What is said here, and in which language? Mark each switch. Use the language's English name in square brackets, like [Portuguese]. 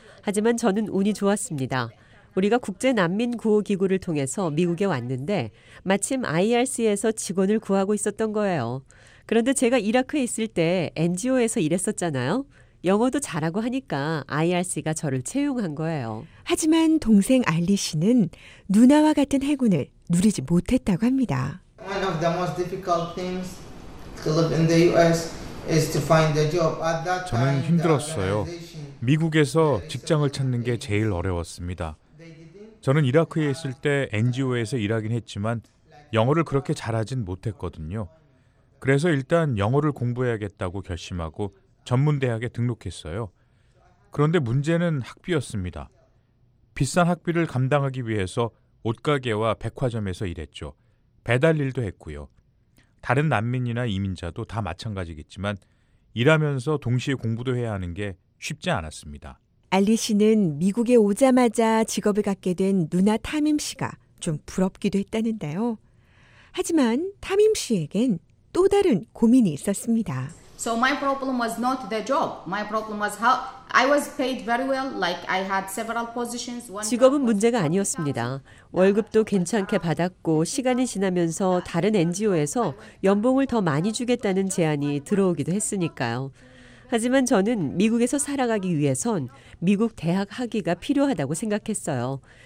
[Korean] 하지만 저는 운이 좋았습니다. 우리가 국제 난민 구호 기구를 통해서 미국에 왔는데 마침 IRC에서 직원을 구하고 있었던 거예요. 그런데 제가 이라크에 있을 때 NGO에서 일했었잖아요. 영어도 잘하고 하니까 IRC가 저를 채용한 거예요. 하지만 동생 알리 씨는 누나와 같은 행운을 누리지 못했다고 합니다. [English] One of the most difficult things to live in the US is to find a job. At that time, [Korean] 저는 힘들었어요. 미국에서 직장을 찾는 게 제일 어려웠습니다. 저는 이라크에 있을 때 NGO에서 일하긴 했지만 영어를 그렇게 잘하진 못했거든요. 그래서 일단 영어를 공부해야겠다고 결심하고 전문대학에 등록했어요. 그런데 문제는 학비였습니다. 비싼 학비를 감당하기 위해서 옷가게와 백화점에서 일했죠. 배달 일도 했고요. 다른 난민이나 이민자도 다 마찬가지겠지만 일하면서 동시에 공부도 해야 하는 게 쉽지 않았습니다. 알리 씨는 미국에 오자마자 직업을 갖게 된 누나 타밈 씨가 좀 부럽기도 했다는데요. 하지만 타밈 씨에겐 또 다른 고민이 있었습니다. [English] So my problem was not the job. My problem was how I was paid very well. Like I had several positions. [Korean] 직업은 문제가 아니었습니다. 월급도 괜찮게 받았고 시간이 지나면서 다른 NGO에서 연봉을 더 많이 주겠다는 제안이 들어오기도 했으니까요. 하지만 저는 미국에서 살아가기 위해선 미국 대학 학위가 필요하다고 생각했어요.